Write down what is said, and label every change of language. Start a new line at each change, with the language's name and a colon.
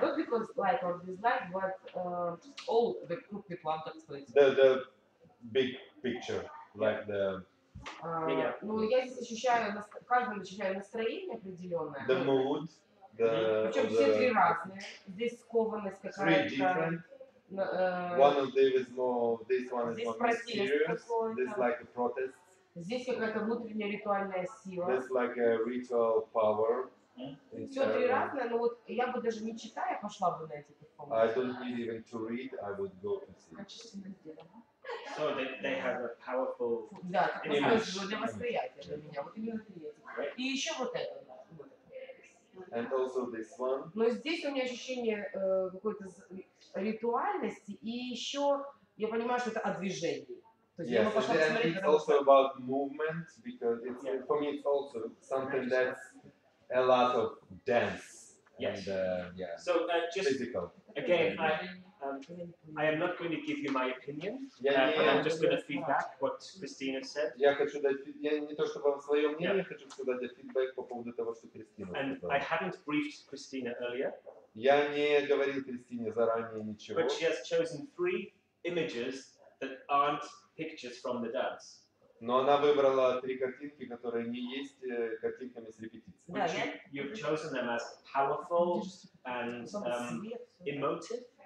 English: Not because like or dislike, but all the group people I'm talking about. The big picture, like the... Yeah.
Russian: Ну, я здесь ощущаю, каждый ощущает настроение определенное.
English: The mood.
Russian: Причем все три разные. Здесь скованность какая-то.
English: One of them is more, this one is more mysterious. This like a protest.
Russian: Здесь какая-то внутренняя ритуальная сила.
English: This like a ritual power.
Russian: Все три разные, но вот я бы даже не читая пошла бы на эти перформансы.
English: I don't need even to read, I would go to see. So they have a powerful
Russian: да,
English: image.
Russian: Для восприятия для меня. Вот именно три эти. И еще вот это.
English: And also this one.
Russian: Но здесь у меня ощущение какой-то ритуальности, и еще я понимаю, что это о движении. То есть
English: yes,
Russian: я могу пошла посмотреть,
English: it's also about movement, because it's, yeah. for me it's also something that's a lot of dance. Yes. And, yeah. So just physical. Again, I am not going to give you my opinion, yeah, but yeah, I'm just going to feedback what Christina said.
Russian: Я хочу дать, я не то чтобы вам свое мнение, я хочу сказать feedback по поводу того, что Кристина сказала.
English: And I hadn't briefed Christina earlier.
Russian: Я не говорил Кристине заранее ничего.
English: But she has chosen three images that aren't pictures from the dance.
Russian: Но она выбрала три картинки, которые не есть картинками с репетиции.
English: Which you've chosen them as powerful and emotive.